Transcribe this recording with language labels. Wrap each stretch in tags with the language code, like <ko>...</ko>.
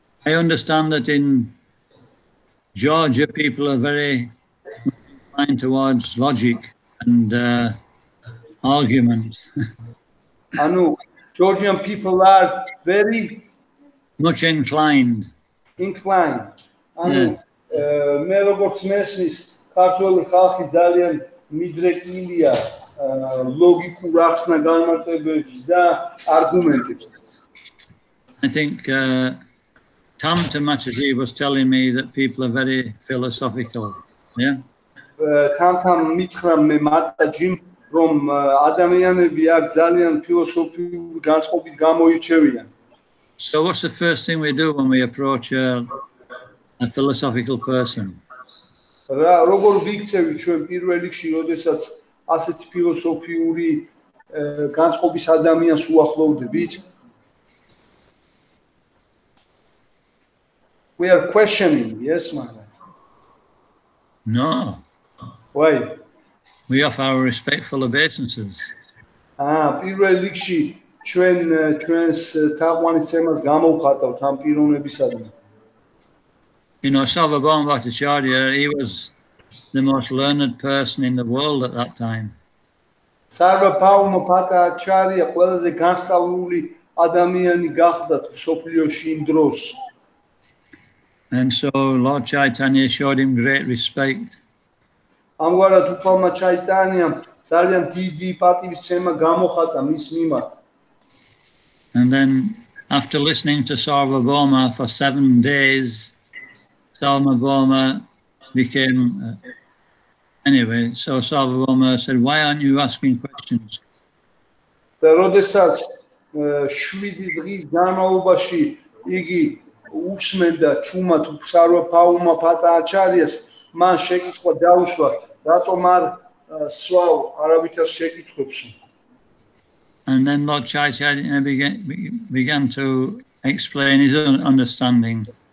<en>I understand that in Georgia people are very inclined towards logic and arguments. ანუ Georgian people are very much inclined. Inclined.</en> <ka>ანუ მე როგორც მესმის ქართველი ხალხი ძალიან მიდრეკილია ლოგიკურ ახსნა განმარტებებს და არგუმენტებს.</ka> <en>I think Tom Tamatji was telling me that people are very philosophical. Yeah.</en> <ka>Tam მითხრა მე მატაჯიმ რომ ადამიანები აქ ძალიან ფილოსოფიური განწყობით გამოირჩევიან.</ka> <en>So what's the first thing we do when we approach a philosophical person?</en> <ka>Ра როგორ ვიქცევი ჩვენ პირველ რიგში, როდესაც ასეთ ფილოსოფიური განწყობის ადამიანს უახლოვდებით?</ka> <en>We are questioning, yes, Maharaj. No. Why? We offer our respectful obeisances.</en> <ka>პირველ რიგში ჩვენს თაყვანისცემას გამოვხატავთ ამ პიროვნებისადმი.</ka> <en>You know, Savabhan Bhattacharya, he was the most learned person in the world at that time.</en> <ka>Savabhan Bhattacharya, ყველაზე განსწავლული ადამიანი გახლდათ მსოფლიოში იმ დროს.</ka> <en>And so Lord Chaitanya showed him great respect.</en> <ka>ამგვარად უფალმა ჩაიტანიამ ძალიან დიდი პატივისცემა გამოხატა მის მიმართ.</ka> <en>And then after listening to Savabhan for 7 days, Savabhan became anyway, so Savabhan said, why aren't you asking questions?</en> <ka>The როდესაც 7 დღის განმავლობაში იგი უსმენდა ჩუმად სარვაფაუმა ფატაჩარიას, მან შეკითხვა დაუსვა, რატომ არ სვავ არავითარ შეკითხვებს?</ka> <en>And then Lord Chaitanya began to explain his own understanding.</en>